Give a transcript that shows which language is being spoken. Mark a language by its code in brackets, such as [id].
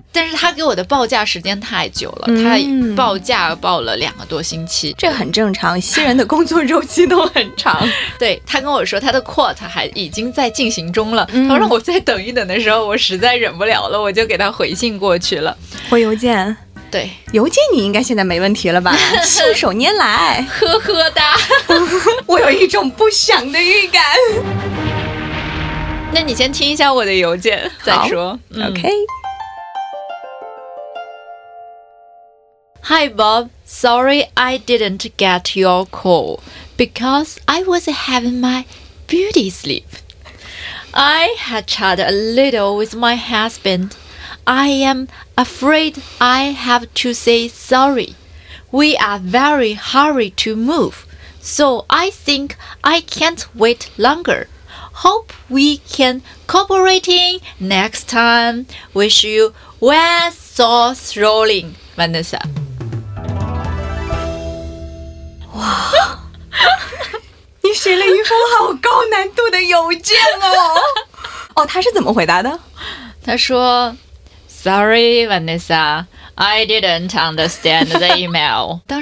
[zh] 但是他给我的报价时间太久了，他报价报了两个多星期，这很正常，新人的工作周期都很长。对，他跟我说他的 quote 还已经在进行中了，他说让我再等一等的时候，我实在忍不了了，我就给他回信过去了。回邮件？对，邮件你应该现在没问题了吧？信手拈来，呵呵哒。我有一种不祥的预感。那你先听一下我的邮件再说。 OK。 [en] Hi Bob, sorry I didn't get your call because I was having my beauty sleep. I had chatted a little with my husband. I am afraid I have to say sorry. We are very hurry to move, so I think I can't wait longer. Hope we can cooperate next time. Wish you well, sauce rolling, Vanessa. [zh] 哇，你写了一封好高难度的邮件哦！哦，他是怎么回答的？他说 [en] ，Sorry, Vanessa, I didn't understand the email.